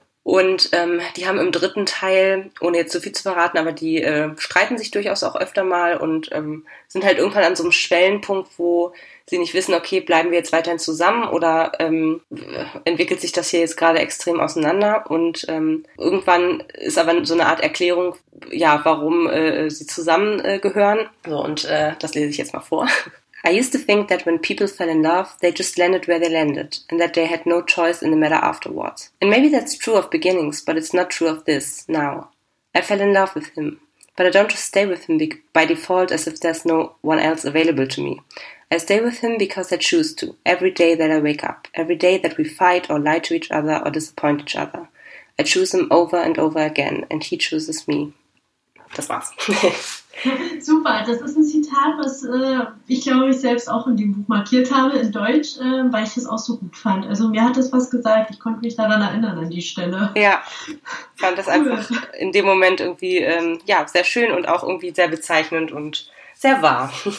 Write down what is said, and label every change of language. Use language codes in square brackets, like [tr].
[de] Und die haben im dritten Teil, ohne jetzt zu viel zu verraten, aber die streiten sich durchaus auch öfter mal und sind halt irgendwann an so einem Schwellenpunkt, wo sie nicht wissen, okay, bleiben wir jetzt weiterhin zusammen oder entwickelt sich das hier jetzt gerade extrem auseinander. Und irgendwann ist aber so eine Art Erklärung, ja, warum sie zusammengehören. So, und das lese ich jetzt mal vor. [en] I used to think that when people fell in love, they just landed where they landed, and that they had no choice in the matter afterwards. And maybe that's true of beginnings, but it's not true of this, now. I fell in love with him, but I don't just stay with him by default as if there's no one else available to me. I stay with him because I choose to, every day that I wake up, every day that we fight or lie to each other or disappoint each other. I choose him over and over again, and he chooses me. [de] Das war's. Super, das ist ein Zitat, was ich glaube, ich selbst auch in dem Buch markiert habe, in Deutsch, weil ich es auch so gut fand. Also mir hat das was gesagt, ich konnte mich daran erinnern an die Stelle. Ja, fand das cool. Einfach in dem Moment irgendwie ja, sehr schön und auch irgendwie sehr bezeichnend und sehr wahr.